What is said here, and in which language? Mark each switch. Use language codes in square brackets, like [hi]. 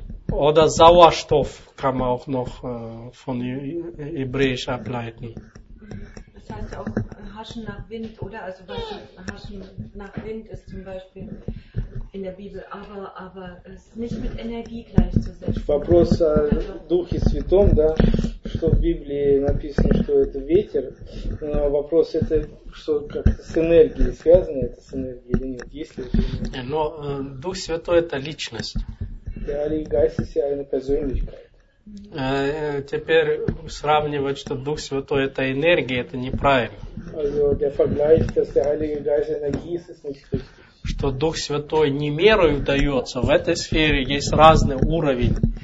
[de] Oder Sauerstoff kann man auch noch von Hebräisch ableiten. Das heißt auch Haschen nach Wind, oder? Also was Haschen nach Wind ist zum Beispiel in der Bibel, aber es ist nicht mit Energie gleichzusetzen. [ru] Вопрос о Духе Святом, да, что в Библии написано, что это ветер. Но вопрос это, что как-то с энергией связано, это с энергией или нет? Есть ли это? Но Дух Святой это личность. Да, и Гайсис, и Айна Казуэмичка. Теперь сравнивать, что Дух Святой это энергия, это неправильно. [de] Also, der Vergleich, dass der Heilige Geist Energie ist, ist nicht richtig. [ru] Что Дух Святой не мерою дается, в этой сфере есть разный уровень.